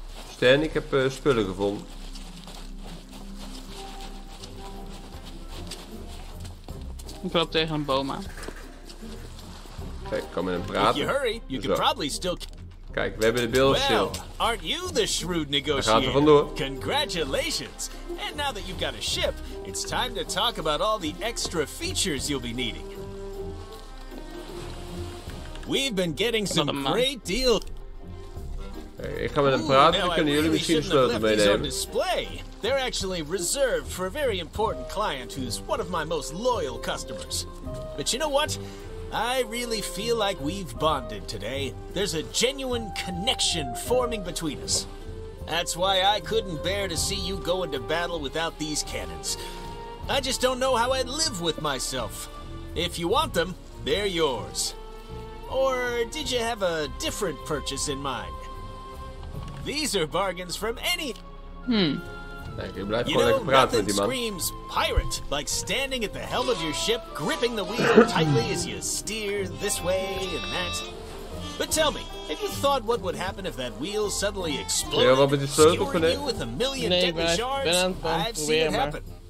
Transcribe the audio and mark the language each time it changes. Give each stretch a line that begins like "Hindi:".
Dutch: Stan, ik heb spullen gevonden. Ik loop tegen een boom aan. Kijk, ik kan met hem praten.
English: If you hurry, you can probably still...
Dutch: Kijk, we hebben de
English: bill of sale. Aren't you the shrewd negotiator?
Dutch: Daar gaat er vandoor.
English: Congratulations. And now that you've got a ship, it's time to talk about all the extra features you'll be needing. We've been getting some great deals.
Dutch: Hey, ik ga met hem praten. Dan kunnen jullie misschien een sleutel meenemen.
English: They're actually reserved for a very important client who's one of my most loyal customers. But you know what? I really feel like we've bonded today. There's a genuine connection forming between us. That's why I couldn't bear to see you go into battle without these cannons. I just don't know how I'd live with myself. If you want them, they're yours. Or did you have a different purchase in mind? These are bargains from any...
Dutch: Nee, je blijft gewoon lekker praten met die man.
English: Screams pirate, like standing at the helm of your ship, gripping the wheel tightly as you steer this way and that. But tell me, have you thought what would happen if that wheel suddenly exploded, skewering you with a million deadly shards? I've seen it happen.